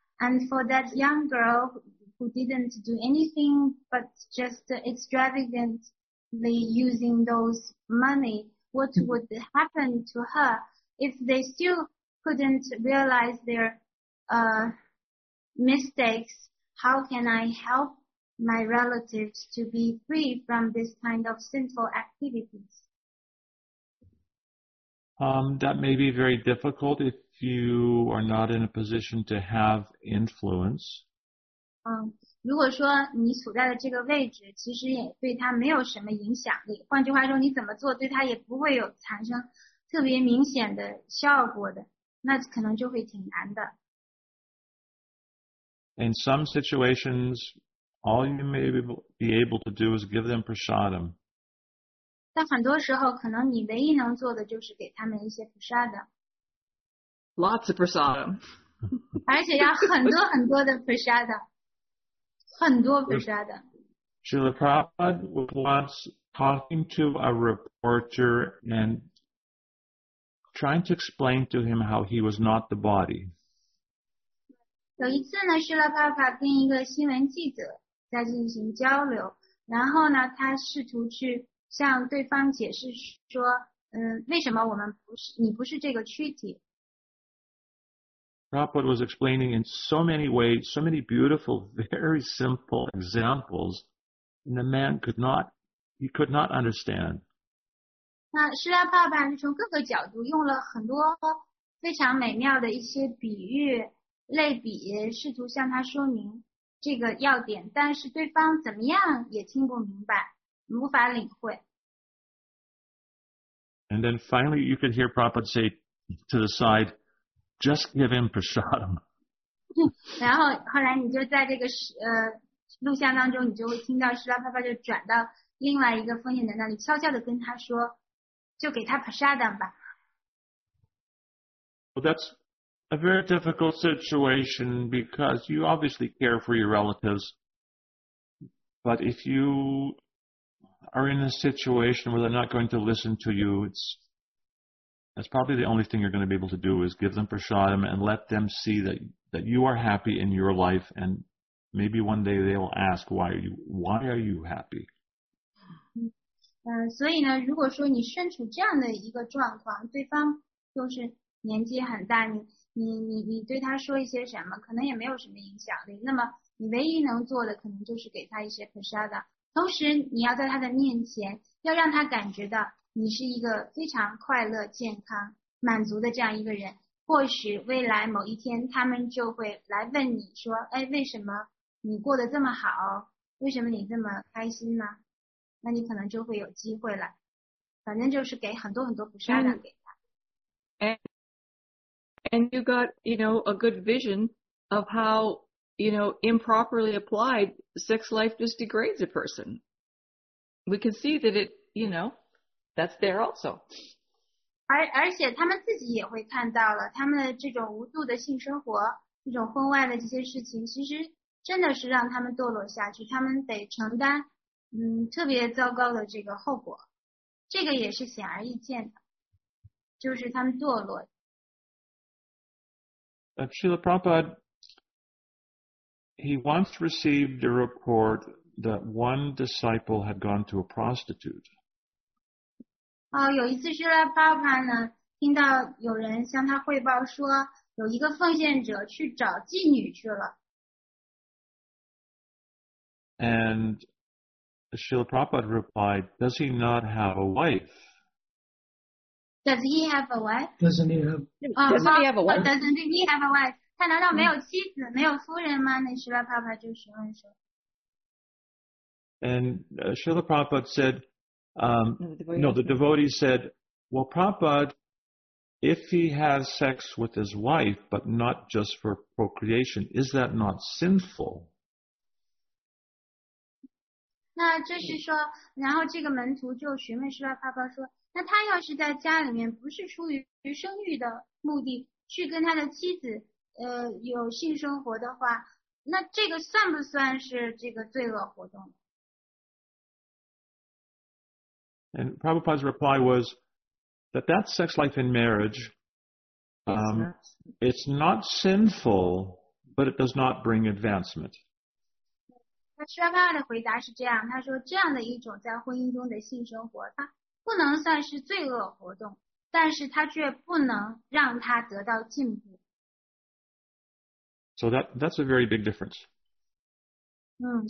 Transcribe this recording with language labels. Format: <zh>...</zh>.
<en>And for that young girl who didn't do anything but just extravagantly using those money, what would happen to her if they still couldn't realize their mistakes, how can I help my relatives to be free from this kind of sinful activities? That may be very difficult if you are not in a position to have influence.</en> <zh>如果说你所在的这个位置其实也对他没有什么影响力，换句话说，你怎么做对他也不会有产生特别明显的效果的，那可能就会挺难的。</zh> <en>In some situations, all you may be able to do is give them prasadam.</en> <zh>但很多时候，可能你唯一能做的就是给他们一些 prasadam.</zh> <en>Lots of prasadam.</en> <zh>而且要很多很多的 prasadam. 很多 prasadam.</zh> <en>Srila Prabhupada was once talking to a reporter and trying to explain to him how he was not the body.</en> <zh>有一次呢，施拉帕帕跟一个新闻记者在进行交流，然后呢，他试图去向对方解释说，为什么我们不是，你不是这个躯体。</zh> <en>Prabhupada was explaining in so many ways, so many beautiful, very simple examples, and the man could not understand.</en> <zh>那施拉帕帕是从各个角度用了很多非常美妙的一些比喻。类比试图向他说明这个要点，但是对方怎么样也听不明白，无法领会。</zh> <en>And then finally, you could hear Prabhupada say to the side, "Just give him prasadam."</en> <zh>然后后来你就在这个录像当中，你就会听到施拉帕帕就转到另外一个疯癫的那里，悄悄地跟他说，就给他 prasadam 吧。</zh> <en>A very difficult situation because you obviously care for your relatives. But if you are in a situation where they're not going to listen to you, that's probably the only thing you're going to be able to do is give them prasadam and let them see that you are happy in your life. And maybe one day they will ask, why are you happy?</en> <zh>所以呢，如果说你身处这样的一个状况，对方就是年纪很大，你对他说一些什么可能也没有什么影响力，那么你唯一能做的可能就是给他一些 prasada， 同时你要在他的面前要让他感觉到你是一个非常快乐健康满足的这样一个人，或许未来某一天他们就会来问你说，哎，为什么你过得这么好，为什么你这么开心呢，那你可能就会有机会了，反正就是给很多很多 prasada 给他。</zh> <en>And you got, you know, a good vision of how, you know, improperly applied sex life just degrades a person. We can see that it, you know, that's there also.</en> <zh>而且他们自己也会看到了他们的这种无度的性生活，这种婚外的这些事情，其实真的是让他们堕落下去，他们得承担特别糟糕的这个后果。这个也是显而易见的，就是他们堕落。</zh> <en>Srila Prabhupada, he once received a report that one disciple had gone to a prostitute.</en> <zh>有一次 Srila Prabhupada 呢，听到有人向他汇报说，有一个奉献者去找妓女去了。</zh> <en>And Srila Prabhupada replied, "Does he not have a wife?" Does he have a wife? Doesn't he have a wife?</en> <zh>他难道没有妻子、没有夫人吗？那Srila Prabhupada就询问说。</zh> <en>And Srila Prabhupada said, the devotee said, "Well, Prabhupada, if he has sex with his wife, but not just for procreation, is that not sinful?"</en> <zh>那就是说，然后这个门徒就询问Srila Prabhupada说。那他要是在家里面不是出于生育的目的去跟他的妻子有性生活的话，那这个算不算是这个罪恶活动？</zh> <en>And Prabhupada's reply was that sex life in marriage, it's not sinful, but it does not bring advancement.</en> <zh>那施拉帕帕的回答是这样，他说这样的一种在婚姻中的性生活，他不能算是罪恶活动，但是他却不能让他得到进步。</zh> <en>So that's a very big difference.</en>